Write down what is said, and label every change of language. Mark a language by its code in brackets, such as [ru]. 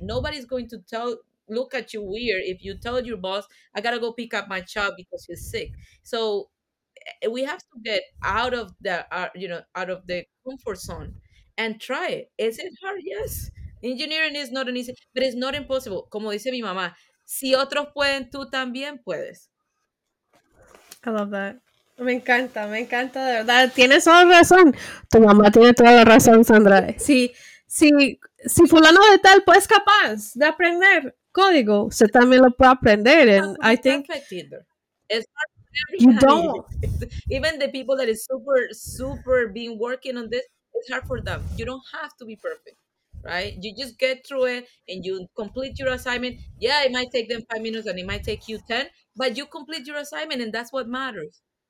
[en] Nobody's going to look at you weird if you tell your boss, I got to go pick up my child because he's sick. So we have to get out of out of the comfort zone and try it. Is it hard? Yes. Engineering is not an easy, but it's not impossible. [es] Como dice mi mamá, si otros pueden, tú también puedes. [en] I love that. [es] Me encanta, de verdad. Tienes toda la razón. Tu mamá tiene toda la razón, Sandra. Si fulano de tal, pues capaz de aprender código, usted también lo puede aprender. [en] And I think... It's hard for everybody. You don't. Even the people that are super, super been working on this, it's hard for them. You don't have to be perfect. Right, you just get through it and you complete your assignment. Yeah, it might take them 5 minutes and it might take you 10, but you complete your assignment, and that's what matters.